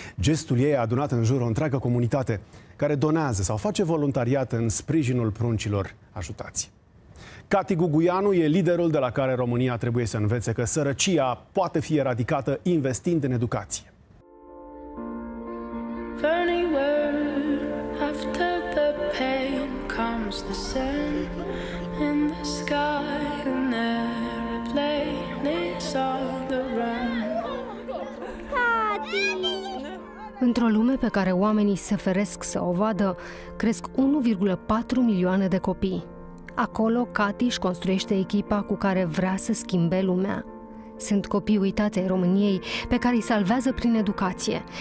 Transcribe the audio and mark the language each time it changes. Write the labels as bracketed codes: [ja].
[ro] Gestul ei a adunat în jur o întreagă comunitate, care donează sau face voluntariat în sprijinul pruncilor ajutați. Cati Guguianu e liderul de la care România trebuie să învețe că sărăcia poate fi eradicată investind în educație. [en] Funny world, after the pain comes the sun. In the sky, an aeroplane is on the run. [ro] Tati! Într-o lume pe care oamenii se feresc să o vadă, cresc 1,4 milioane de copii. Acolo, Cati își construiește echipa cu care vrea să schimbe lumea. Sunt copii uitați ai României pe care îi salvează prin educație.